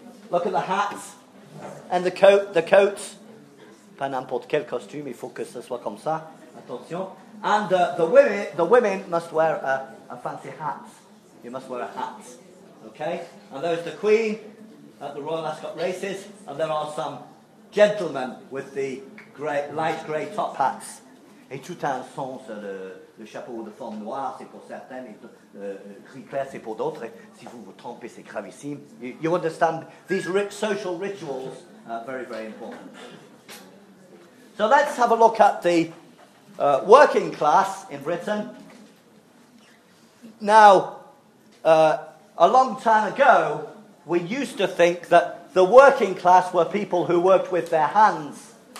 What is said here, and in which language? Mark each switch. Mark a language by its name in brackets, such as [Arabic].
[English] Look at the hats and the coat. The coats, [French] pas n'importe quel costume, il faut que ce soit comme ça. Attention. [English] And the women must wear a fancy hat. You must wear a hat. Okay. And there is the Queen at the Royal Ascot races, and there are some gentlemen with the grey, light grey top hats. [French] Et tout un sens le. Le chapeau de forme noire, c'est pour certains, et gris clair, c'est pour d'autres. Si vous vous trompez, c'est gravissime. [English] You understand these social rituals are very, very important. So let's have a look at the working class in Britain. Now, a long time ago, we used to think that the working class were people who worked with their hands.